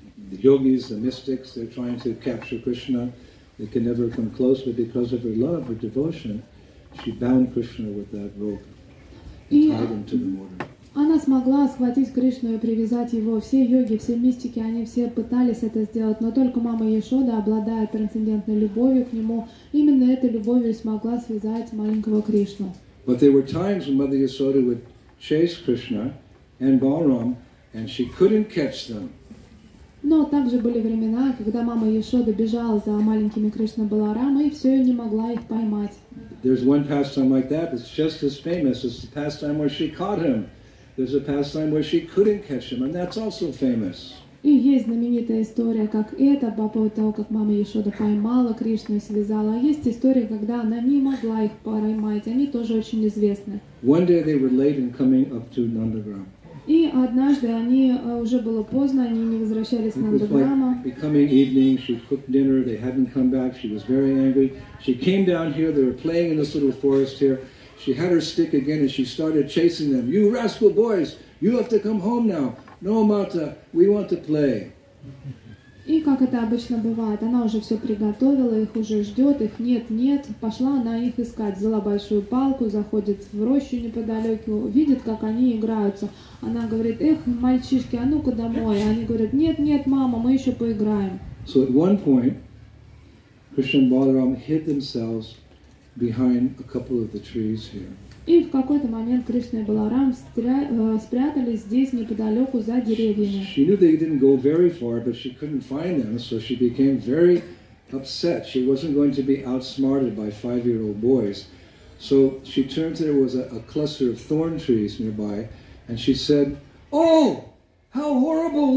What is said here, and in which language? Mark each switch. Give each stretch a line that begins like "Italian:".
English: The yogis, the mystics, they're trying to capture Krishna. They can never come close, but because of her love, her devotion, she bound Krishna with that rope and tied him to the mortar.
Russian: Она смогла схватить Кришну и привязать его. Все йоги, все мистики, они все пытались это сделать, но только мама Яшода, обладая трансцендентной любовью к нему, именно этой любовью смогла связать маленького Кришну.
English: But there were times when Mother Yasoda would chase Krishna and Balaram, and she couldn't catch them.
Russian: Но также были времена, когда мама Яшода бежала за маленькими Кришна Баларама и все не могла их поймать.
English: There's one pastime like that that's just as famous. It's the pastime where she caught him. There's a pastime where she couldn't catch him, and that's also famous.
Russian: И есть знаменитая история, как это по поводу того, как мама Яшода поймала Кришну и связала. А есть история, когда она не могла их поймать. Они тоже очень известны.
English: One day they were late in coming up to Nandagram.
Russian: И однажды они уже было поздно, они не возвращались на Даграма.
English: Becoming evening, she cooked dinner. They hadn't come back. She was very angry. She came down here. They were playing in this little forest here. She had her stick again, and she started chasing them. You rascal boys! You have to come home now. No, Mata, we want to play.
Russian: И как это обычно бывает, она уже все приготовила, их уже ждет, их нет, нет. Пошла она их искать, взяла большую палку, заходит в рощу неподалеку, видит, как они играются. Она говорит, эх, мальчишки, а ну-ка домой. Они говорят, нет, нет, мама, мы еще поиграем.
English: So at one point, Krishna and Balaram hid themselves behind a couple of the trees here.
Russian: И в какой-то момент Кришна и Баларам спрятались здесь неподалеку за деревьями.
English: She knew they didn't go very far, but she couldn't find them, so she became very upset. She wasn't going to be outsmarted by five-year-old boys. So she turned to, there was a cluster of thorn trees nearby, and she said, "Oh, how horrible!